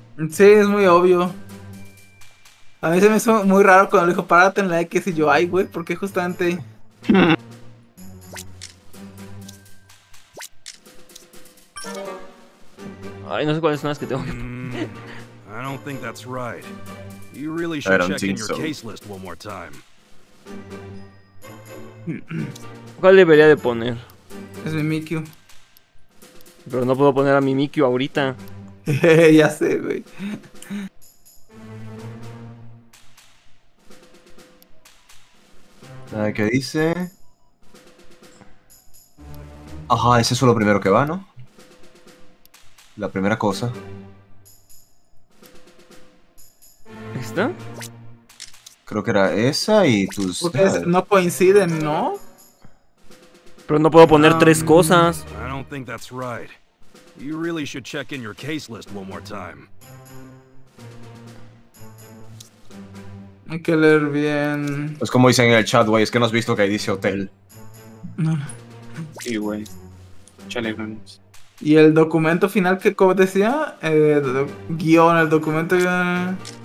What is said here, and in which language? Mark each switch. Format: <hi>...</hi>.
<es>Sí, es muy obvio. A mí se me hizo muy raro cuando le dijo párate en la X y yo, ay, güey, porque justamente... Ay, no sé cuáles son las que tengo que...</es> <en>I don't think that's right. You really should check in your case list one more time.</en> <es>¿Cuál debería de poner? Es Mimikyu. Pero no puedo poner a Mimikyu ahorita. Ya sé, güey. ¿Qué dice? Ajá, es eso lo primero que va, ¿no? La primera cosa. ¿Esta? Creo que era esa y tus... Porque es, no coinciden, ¿no? Pero no puedo poner tres cosas.</es> <en>I don't think that's right. You really should check in your case list one more time.</en> <es>Hay que leer bien. Es como dicen en el chat, güey, es que no has visto que ahí dice hotel. No. Sí, güey. Chale, vamos. Y el documento final que como decía, guión, el documento guión.</es>